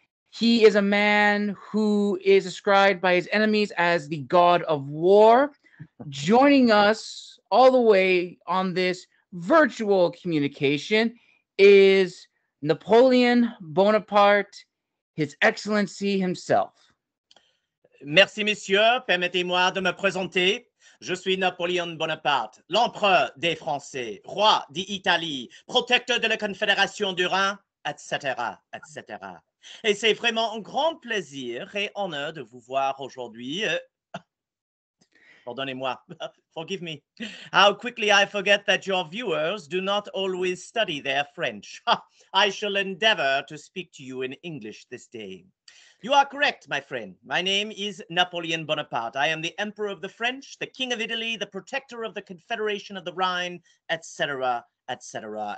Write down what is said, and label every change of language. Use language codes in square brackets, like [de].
[en] He is a man who is ascribed by his enemies as the god of war. Joining us all the way on this virtual communication is Napoleon Bonaparte, His Excellency himself. [fr] Merci, messieurs. Permettez-moi de me présenter. Je suis Napoléon Bonaparte, l'empereur des Français, roi d'Italie, protecteur de la Confédération du Rhin, etc., etc. Et c'est vraiment un grand plaisir et honneur de vous voir aujourd'hui. Pardonnez-moi. [en] Forgive me. How quickly I forget that your viewers do not always study their French. I shall endeavor to speak to you in English this day. You are correct, my friend. My name is Napoleon Bonaparte. I am the Emperor of the French, the King of Italy, the Protector of the Confederation of the Rhine, etc., etc.